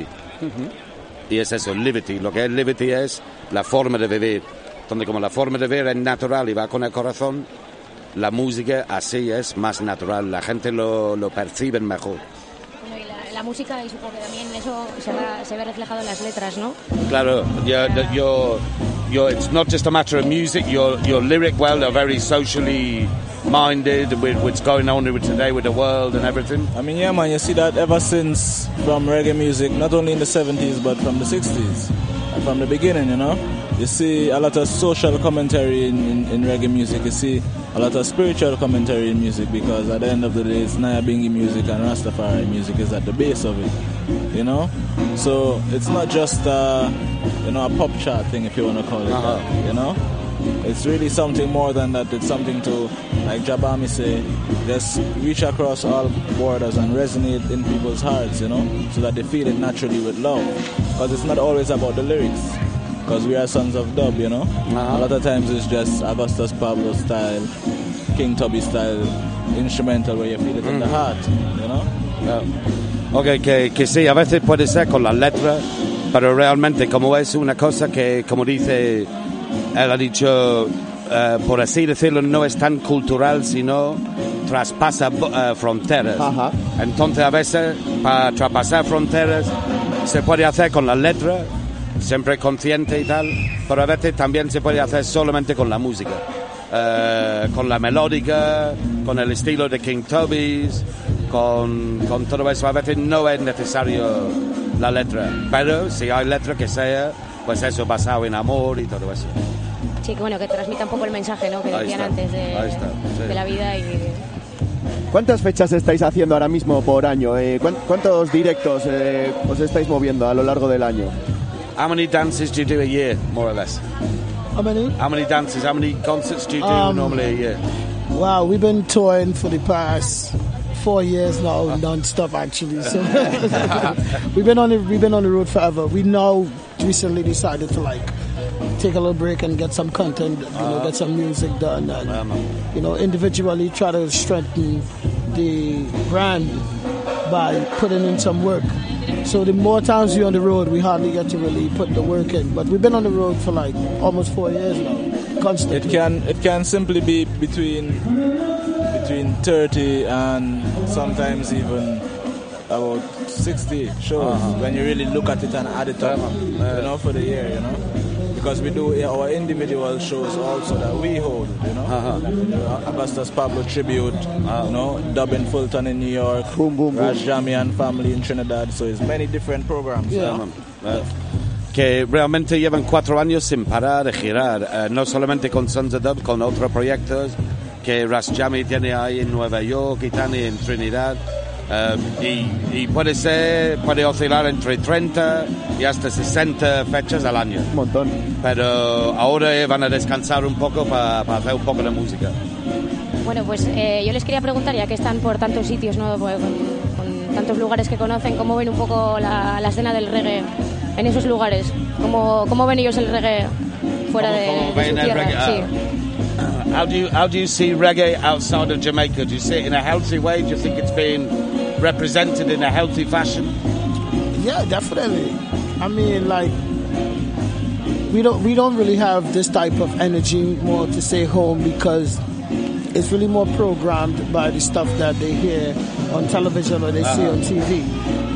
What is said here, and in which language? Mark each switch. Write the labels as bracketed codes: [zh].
[es] Uh-huh. Y es eso, liberty. Lo que es liberty es la forma de vivir. Entonces, como la forma de vivir es natural y va con el corazón, la música así es más natural, la gente lo percibe mejor. Bueno, y la música, y supongo que también eso se ve reflejado en las letras, ¿no? Claro, [en] it's not just a matter of music, your lyric world are very socially minded with what's going on with today with the world and everything. I mean, yeah, man, you see that ever since from reggae music, not only in the 70s but from the 60s, from the beginning, you know? You see a lot of social commentary in reggae music, you see a lot of spiritual commentary in music, because at the end of the day, it's Naya Bingi music and Rastafari music is at the base of it, you know? So it's not just a pop chart thing, if you want to call it that, you know? It's really something more than that. It's something to, like Jabami say, just reach across all borders and resonate in people's hearts, you know, so that they feel it naturally with love. Because it's not always about the lyrics, because we are Sons of Dub, you know. Uh-huh. A lot of times it's just Augustus Pablo style, King Tubby style, instrumental where you feel it in the heart, you know. Yeah. [es] Okay, que sí, a veces puede ser con la letra, pero realmente como es una cosa que, como dice, él ha dicho, por así decirlo, no es tan cultural, sino traspasa fronteras. Uh-huh. Entonces a veces, para traspasar fronteras, se puede hacer con las letras, siempre consciente y tal, pero a veces también se puede hacer solamente con la música, con la melódica, con el estilo de King Tubby's, con todo eso. A veces no es necesario la letra, pero si hay letra que sea, pues eso, basado en amor y todo eso. Sí, que bueno, que transmita un poco el mensaje, ¿no?, que decían antes de la vida. Y ¿cuántas fechas estáis haciendo ahora mismo por año? ¿Cuántos directos os estáis moviendo a lo largo del año? [en] How many dances do you do a year, more or less? How many? How many dances, how many concerts do you do normally a year? Wow, we've been touring for the past 4 years now, non-stop actually. So we've been on the road forever. We now recently decided to like take a little break and get some content, get some music done, and individually try to strengthen the brand by putting in some work. So the more times you're on the road, we hardly get to really put the work in. But we've been on the road for like almost 4 years now, constantly. It can simply be between 30 and sometimes even about 60 shows when you really look at it and add it up, for the year, Because we do our individual shows also that we hold, Augustus Pablo tribute, Dubbin Fulton in New York, boom, boom, boom. Raj Jamian family in Trinidad, so it's many different programs. Yeah. [es] Que realmente llevan 4 años sin parar de girar, no solamente con Sons of Dub, con otros proyectos que Raj Jami tiene ahí en Nueva York y Tani en Trinidad. Y puede oscilar entre 30 y hasta 60 fechas al año. Un montón. Pero ahora van a descansar un poco para hacer un poco de música. Bueno, pues yo les quería preguntar, ya que están por tantos sitios, ¿no?, con tantos lugares que conocen, ¿cómo ven un poco la escena del reggae en esos lugares? ¿Cómo ven ellos el reggae fuera de su tierra? [en] How do you see reggae outside of Jamaica? Do you see it in a healthy way? Do you think it's been represented in a healthy fashion? Yeah, definitely. I mean, like, we don't really have this type of energy more to say home, because it's really more programmed by the stuff that they hear on television or they see on TV.